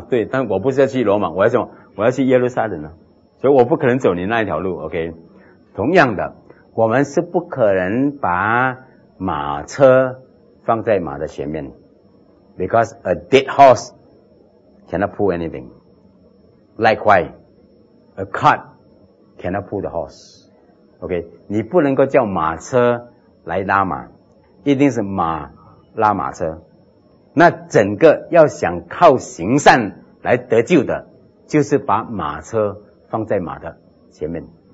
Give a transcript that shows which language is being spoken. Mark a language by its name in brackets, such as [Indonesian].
[Chinese] 对，但我不是要去罗马，我要什么？我要去耶路撒冷呢，所以我不可能走你那一条路。 OK， 同样的，我们是不可能把马车放在马的前面 ， [English] because a dead horse cannot pull anything. Likewise, a cart cannot pull the horse. [Chinese] OK， 你不能够叫马车来拉马，一定是马拉马车。那整个要想靠行善来得救的，就是把马车放在马的前面。